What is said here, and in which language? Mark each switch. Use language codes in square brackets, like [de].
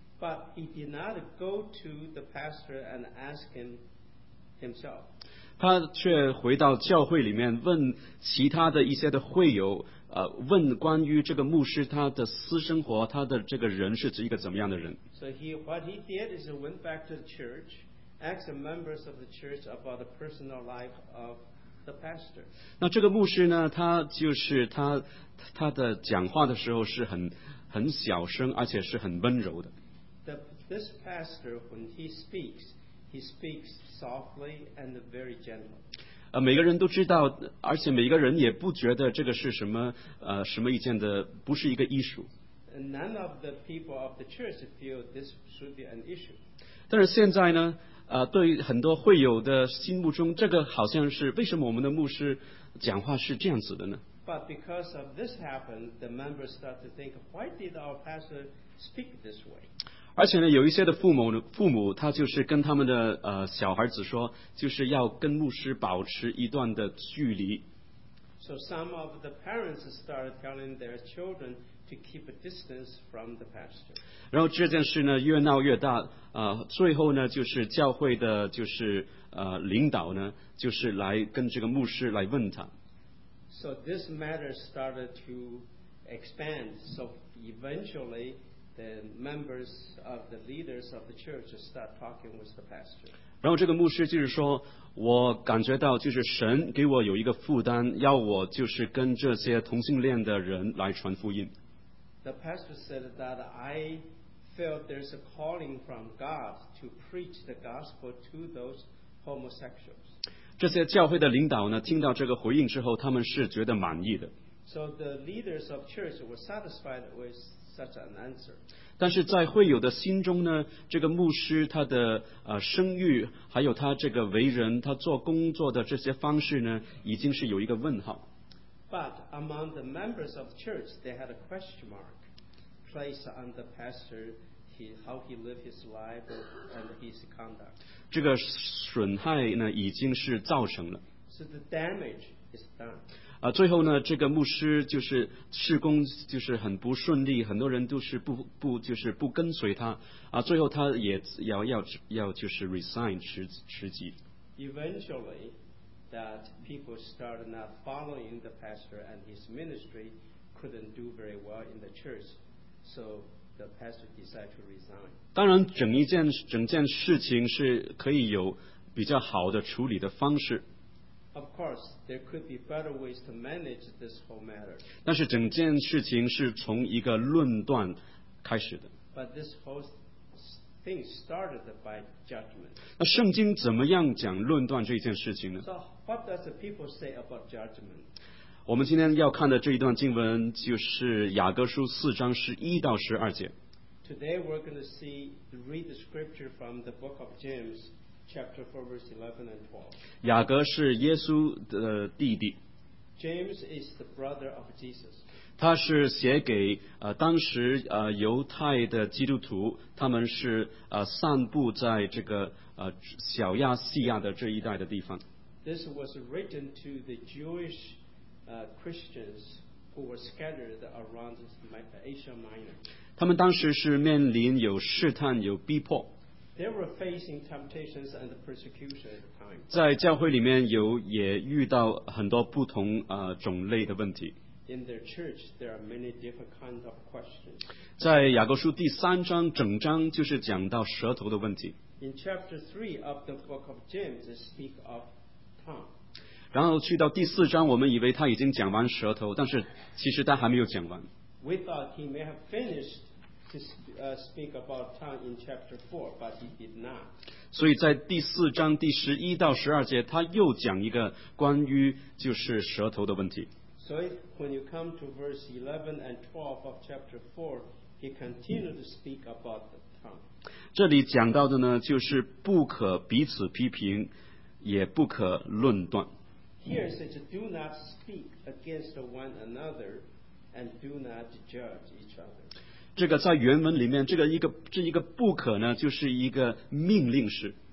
[en] But he did not go to the pastor and ask him himself. [zh] 他却回到教会里面问其他的一些的会友问关于这个牧师他的私生活他的这个人是一个怎么样的人。 [en] So what he did is he went back to the church, asked the members of the church about the personal life of The pastor. [zh] 那这个牧师呢，他就是他的讲话的时候是很小声，而且是很温柔的。 [en] This pastor, when he speaks softly and very gentle. [zh] 每个人都知道，而且每个人也不觉得这个是什么一件的，不是一个艺术。 [en] None of the people of the church feel this should be an issue. [zh] 但是现在呢？对很多会友的心目中，这个好像是为什么我们的牧师讲话是这样子的呢？ [en] But because of this happened, the members start to think, why did our pastor speak this way? [zh] 而且呢，有一些的父母，他就是跟他们的小孩子说，就是要跟牧师保持一段的距离。 [en] So some of the parents started telling their children. To keep a distance from the pastor. [zh] 然后这件事呢越闹越大，最后呢就是教会的就是领导呢就是来跟这个牧师来问他。 [en] So this matter started to expand. So eventually, the members of the leaders of the church start talking with the pastor. [zh] 然后这个牧师就是说，我感觉到就是神给我有一个负担，要我就是跟这些同性恋的人来传福音。 [en] The pastor said that I felt there's a calling from God to preach the gospel to those homosexuals. [zh] 这些教会的领导呢，听到这个回应之后，他们是觉得满意的。 [en] So the leaders of church were satisfied with such an answer. [zh] 但是在会友的心中呢，这个牧师他的声誉，还有他这个为人，他做工作的这些方式呢，已经是有一个问号。 [en] But among the members of the church, they had a question mark placed on the pastor, how he lived his life and his conduct. [zh] 这个损害呢已经是造成了。 [en] So the damage is done. [zh] 最后呢，这个牧师就是事工就是很不顺利，很多人都是不就是不跟随他啊。最后他也要就是 resign 辞职。 [en] Eventually, that people start not following the pastor and his ministry couldn't do very well in the church, so the pastor decided to resign. [zh] 当然，整件事情是可以有比较好的处理的方式。 [en] Of course, there could be better ways to manage this whole matter. [zh] 但是整件事情是从一个论断开始的。 [en] But this whole thing started by judgment. [zh] 那圣经怎么样讲论断这件事情呢？ [en] So what does the people say about judgment? [zh] 我们今天要看的这一段经文就是雅各书四章十一到十二节。 [en] Today we're going to read the scripture from the book of James. Chapter 4, verse 11 and 12. [zh] 雅各是耶稣的弟弟。 [en] James is the brother of Jesus. [zh] 他是写给当时犹太的基督徒，他们是散布在这个小亚细亚的这一带的地方。 [en] This was written to the Jewish Christians who were scattered around Asia Minor. [zh] 他们当时是面临有试探，有逼迫。 [en] They were facing temptations and persecution at the time. [zh] 在教会里面也遇到很多不同种类的问题。 [en] In their church, there are many different kinds of questions. [zh] 在雅各书第三章，整章就是讲到舌头的问题。 [en] In chapter 3 of the book of James, they speak of tongue. [zh] 然后去到第四章，我们以为他已经讲完舌头，但是其实他还没有讲完。 [en] We thought he may have finished. Speak about tongue in chapter 4, but he did not. [zh] 所以在第四章第十一到十二节，他又讲一个关于就是舌头的问题。 [en] So when you come to verse 11 and 12 of chapter 4, he continued to speak about the tongue. [zh] 这里讲到的呢，就是不可彼此批评，也不可论断。 [en] Here it says, "Do not speak against one another, and do not judge each other." [zh] 这个在原文里面，这一个不可呢，就是一个命令式。